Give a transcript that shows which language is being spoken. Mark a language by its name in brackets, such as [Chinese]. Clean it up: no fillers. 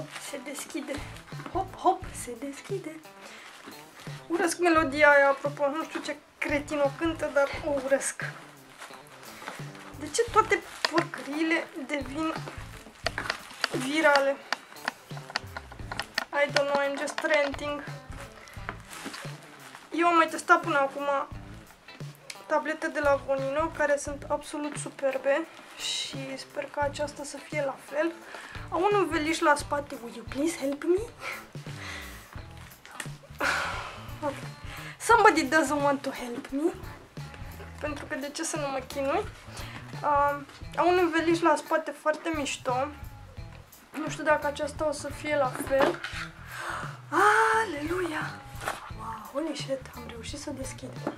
[Romanian] Se deschide. Hop, hop, se deschide. Urăsc melodia aia, apropo, nu știu ce cretin o cântă, dar o urăsc. De ce toate porcările devin virale? [English] I don't know, I'm just ranting. [Romanian] Eu am mai testat până acum tablete de la Vonino, care sunt absolut superbe și sper ca aceasta să fie la fel. Au un înveliș la spate. [English] Will you please help me? Somebody doesn't want to help me. [Romanian] Pentru că de ce să nu mă chinui? Au un înveliș la spate foarte mișto. Nu știu dacă aceasta o să fie la fel. Aleluia! [English] Wow, holy shit, [Romanian] am reușit să deschid.